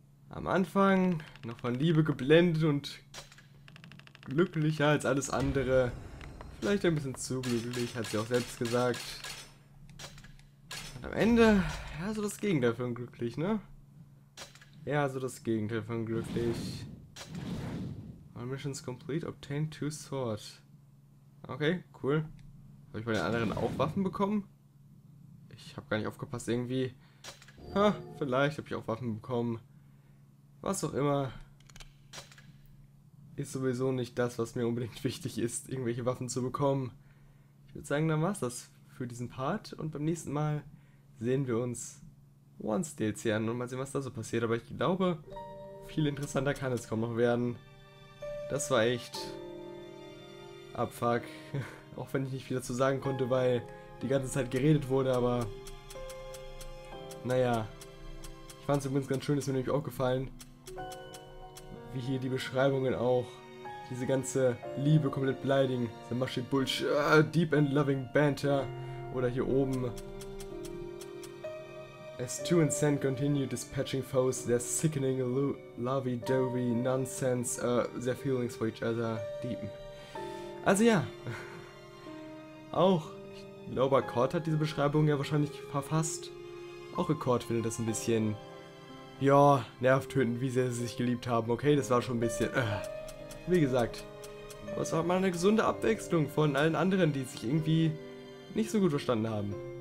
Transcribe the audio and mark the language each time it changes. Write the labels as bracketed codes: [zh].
[de] Am Anfang noch von Liebe geblendet und glücklicher als alles andere. Vielleicht ein bisschen zu glücklich, hat sie auch selbst gesagt. Und am Ende, ja, so das Gegenteil von glücklich, ne? Ja, so das Gegenteil von glücklich. [en] All missions complete, obtain 2 swords. [de] Okay, cool. Habe ich bei den anderen auch Waffen bekommen? Ich habe gar nicht aufgepasst irgendwie. Ha, vielleicht habe ich auch Waffen bekommen. Was auch immer, ist sowieso nicht das, was mir unbedingt wichtig ist, irgendwelche Waffen zu bekommen. Ich würde sagen, dann war's das für diesen Part und beim nächsten Mal sehen wir uns Once DLC an und mal sehen, was da so passiert. Aber ich glaube, viel interessanter kann es kaum noch werden. Das war echt Abfuck, auch wenn ich nicht viel dazu sagen konnte, weil die ganze Zeit geredet wurde, aber naja. Ich fand es übrigens ganz schön, ist mir nämlich auch gefallen, wie hier die Beschreibungen auch diese ganze Liebe komplett beleidigen. [en] The mushy bullshit, deep and loving banter. [de] Oder hier oben. [en] As two and Sand continue dispatching foes, their sickening lovey-dovey nonsense, their feelings for each other deepen. [de] Also ja, auch, ich glaube, Accord hat diese Beschreibung ja wahrscheinlich verfasst. Auch Accord findet das ein bisschen... Ja, nervtötend, wie sehr sie sich geliebt haben. Okay, das war schon ein bisschen... Wie gesagt, aber es war mal eine gesunde Abwechslung von allen anderen, die sich irgendwie nicht so gut verstanden haben.